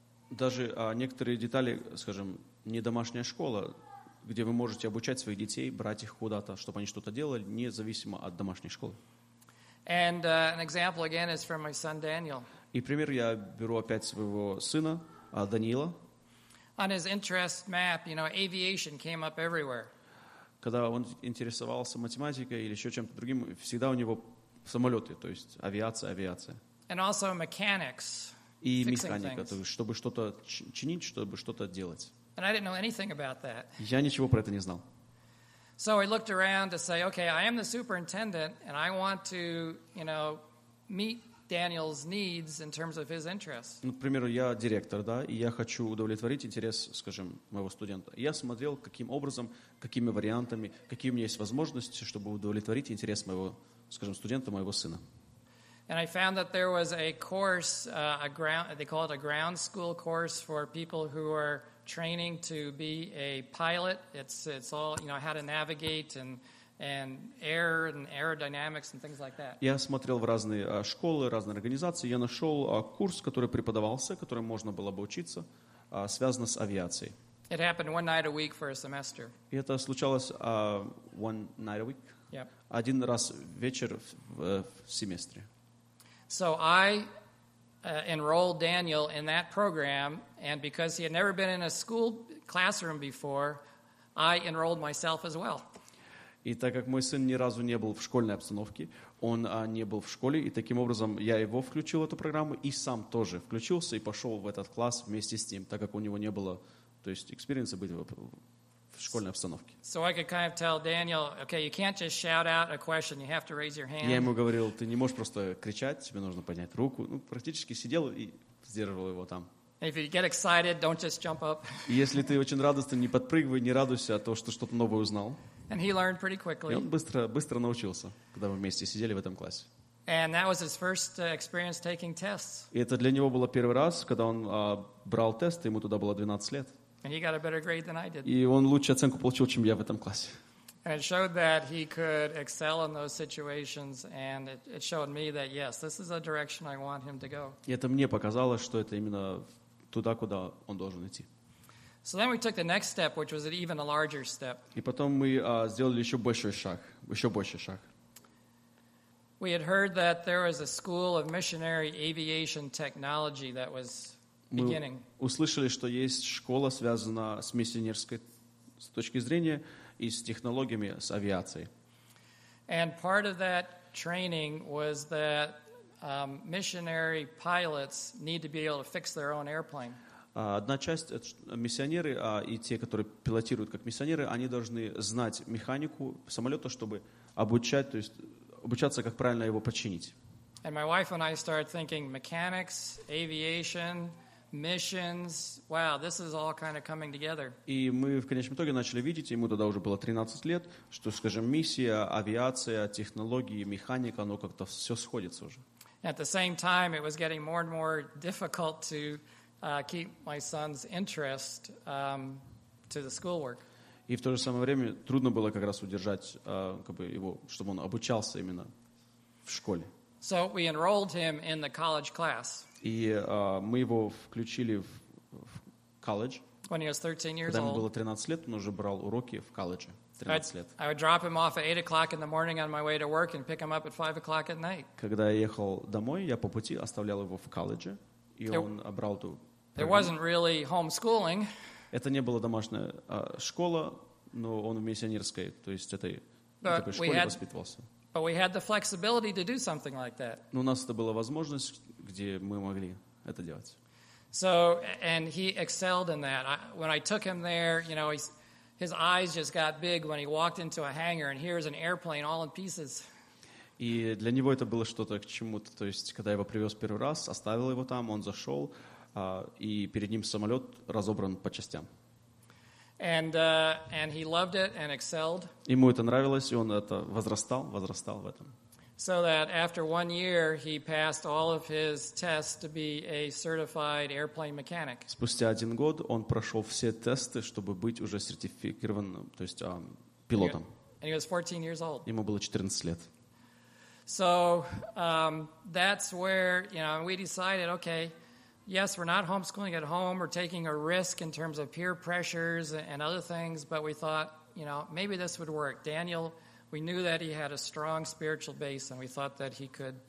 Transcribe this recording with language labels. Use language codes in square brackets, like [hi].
[ru] Даже некоторые детали, скажем, не домашняя школа, где вы можете обучать своих детей, брать их куда-то, чтобы они что-то делали, независимо от домашней школы. [en] And an example again is from my son Daniel. [ru] И пример я беру опять своего сына, Даниила. [en] On his interest map, you know, aviation came up everywhere. [ru] Когда он интересовался математикой или еще чем-то другим, всегда у него самолеты, то есть авиация. [en] And also mechanics. [ru] И механика, то есть чтобы что-то чинить, чтобы что-то делать. [en] And I didn't know anything about that. [ru] Я ничего про это не знал. [en] So I looked around to say, okay, I am the superintendent, and I want to, you know, meet Daniel's needs in terms of his interests. [ru] Ну, к примеру, я директор, да, и я хочу удовлетворить интерес, скажем, моего студента. Я смотрел, каким образом, какими вариантами, какие у меня есть возможности, чтобы удовлетворить интерес моего, скажем, студента, моего сына. [en] And I found that there was a course, they call it a ground school course for people who are training to be a pilot. It's all, you know, how to navigate and air and aerodynamics and things like that. [ru] Я смотрел в разные школы, разные организации. Я нашел курс, который преподавался, которым можно было бы учиться, связанный с авиацией. [en] It happened one night a week for a semester. [ru] И это случалось [en] one night a week. Yep. [ru] Один раз вечер в семестре. [en] So I enrolled Daniel in that program, and because he had never been in a school classroom before, I enrolled myself as well. [ru] И так как мой сын ни разу не был в школьной обстановке, он не был в школе, и таким образом я его включил в эту программу, и сам тоже включился и пошел в этот класс вместе с ним, так как у него не было, то есть, экспириенса быть в школьной обстановке. [en] So I could kind of tell Daniel, okay, you can't just shout out a question, you have to raise your hand. [ru] Я ему говорил, ты не можешь просто кричать, тебе нужно поднять руку. Ну, практически сидел и сдерживал его там. [en] If you get excited, don't just jump up. [ru] Если ты очень радостный, не подпрыгивай, не радуйся от того, что что-то новое узнал. [en] And he learned pretty quickly. [ru] И он быстро, быстро научился, когда мы вместе сидели в этом классе. [en] And that was his first experience taking tests. [ru] И это для него было первый раз, когда он брал тесты, ему тогда было 12 лет. [en] And he got a better grade than I did. [ru] И он лучшую оценку получил, чем я в этом классе. [en] And it showed that he could excel in those situations, and it showed me that, yes, this is a direction I want him to go. [ru] И это мне показало, что это именно туда, куда он должен идти. [en] So then we took the next step, which was an even a larger step. [ru] И потом мы сделали еще больший шаг, еще больший шаг. [en] We had heard that there was a school of missionary aviation technology that was beginning. [ru] Мы услышали, что есть школа, связанная с миссионерской с точки зрения и с технологиями, с авиацией. [en] And part of that training was that missionary pilots need to be able to fix their own airplane. [ru] Одна часть миссионеры и те, которые пилотируют как миссионеры, они должны знать механику самолета, чтобы обучать, то есть обучаться, как правильно его починить. [en] And my wife and I started thinking mechanics, aviation, missions. Wow, this is all kind of coming together. [ru] И мы в конечном итоге начали видеть, ему тогда уже было 13 лет, что, скажем, миссия, авиация, технологии, механика, оно как-то все сходится уже. [en] At the same time, it was getting more and more difficult to keep my son's interest to the schoolwork. [ru] И в то же самое время трудно было как раз удержать как бы его, чтобы он обучался именно в школе. [en] So we enrolled him in the college class. [ru] И мы его включили в колледж. [en] When he was 13 years old. [ru] Когда ему было 13 лет, он уже брал уроки в колледже. 13 лет. [en] I would drop him off at 8 o'clock in the morning on my way to work and pick him up at 5 o'clock at night. [ru] Когда я ехал домой, я по пути оставлял его в колледже. И он брал ту. [en] It wasn't really homeschooling. [ru] Это не была домашняя школа, но он в миссионерской, то есть этой школе воспитывался. [en] But we had the flexibility to do something like that. [ru] Но у нас это была возможность, где мы могли это делать. [en] So and he excelled in that. When I took him there, you know, his eyes just got big when he walked into a hangar and here's an airplane all in pieces. [ru] И для него это было что-то к чему-то. То есть, когда я его привез первый раз, оставил его там, он зашел, и перед ним самолет разобран по частям. [en] And he loved it and excelled. [ru] Ему это нравилось, и он это возрастал в этом. [en] So that after one year, he passed all of his tests to be a certified airplane mechanic. [ru] Спустя один год он прошел все тесты, чтобы быть уже сертифицированным, то есть пилотом. [en] And he was 14 years old. [ru] Ему было 14 лет. [en] So that's where, you know, we decided, okay, yes, we're not homeschooling at home, we're taking a risk in terms of peer pressures and other things, but we thought, you know, maybe this would work. Daniel, we knew that he had a strong spiritual base and we thought that he could.